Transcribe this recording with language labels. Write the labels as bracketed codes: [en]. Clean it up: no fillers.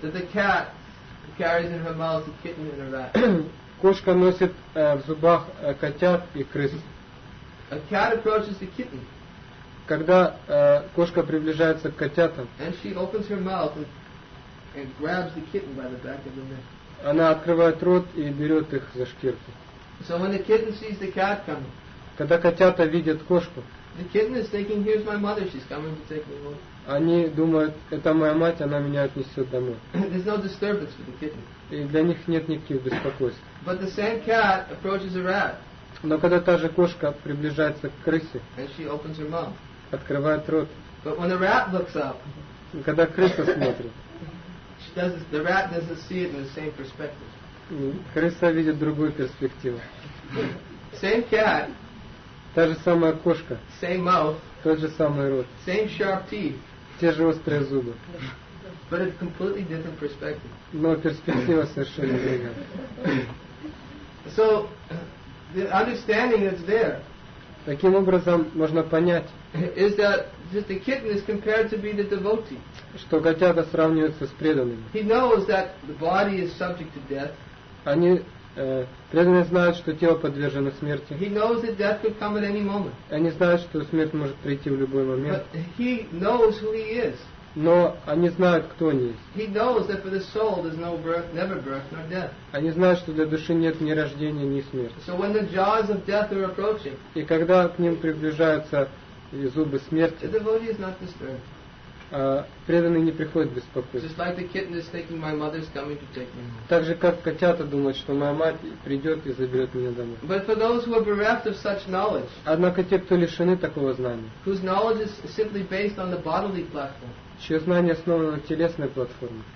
[en] That the cat carries in her mouth a kitten and a rat. [ru] Кошка носит в зубах котят и крыс. [en] A cat approaches the kitten. [ru] Когда кошка приближается к котятам, [en] and she opens her mouth and grabs the kitten by the back of the neck. [ru] Она открывает рот и берет их за шкирку. [en] So when the kitten sees the cat coming, [ru] когда котята видят кошку, [en] the kitten is thinking, here's my mother, she's coming to take me home. [ru] Они думают, это моя мать, она меня отнесет домой. [en] There's no disturbance for the kitten. [ru] И для них нет никаких беспокойств. [en] But the same cat approaches a rat. [ru] Но когда та же кошка приближается к крысе, [en] and she opens her mouth, [ru] открывает рот. [en] But when the rat looks up, [ru] когда крыса смотрит, [en] she doesn't, the rat doesn't see it in the same perspective. [ru] Крыса видит другую перспективу. [en] Same cat. [ru] Та же самая кошка. [en] Same mouth. [ru] Тот же самый рот. [en] Same sharp teeth. [ru] Те же острые зубы. [en] But a completely different perspective. [ru] Но перспектива совершенно другая. [en] So the understanding that's there. [ru] Таким образом можно понять. [en] Is that just the kitten is compared to be the devotee? [ru] Что котята сравниваются с преданными. [en] He knows that the body is subject to death. [ru] Они преданные знают, что тело подвержено смерти. [en] He knows that death could come at any moment. [ru] Они знают, что смерть может прийти в любой момент. [en] But he knows who he is. [ru] Но они знают, кто они есть. [en] He knows that for the soul there's no birth, never birth, nor death. [ru] Они знают, что для души нет ни рождения, ни смерти. [en] So when the jaws of death are approaching, [ru] и когда к ним приближаются зубы смерти, [en] the devotee is not disturbed. [ru] преданный не приходит в беспокойство. [en] Just like the kitten is thinking my mother is coming to take me home. [ru] Так же как котята думают, что моя мать придет и заберет меня домой. [en] But for those who are bereft of such knowledge. [ru] Однако те, кто лишены такого знания. [en] Whose knowledge is simply based on the bodily platform. [ru] Чье знание основано на телесной платформе.